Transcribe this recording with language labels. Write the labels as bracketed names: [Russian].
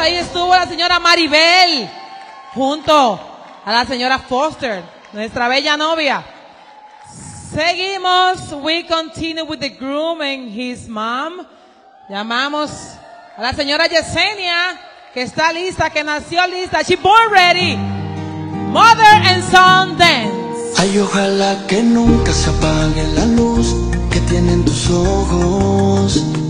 [Spanish] Ahí estuvo la señora Maribel junto a la señora Foster, nuestra bella novia. Seguimos. [English] We continue with the groom and his mom. [Spanish] Llamamos a la señora Yesenia, que está lista, que nació lista. [English] She born ready. Mother and son dance. [Spanish] Ay, ojalá que nunca se apague la luz que tienen tus ojos.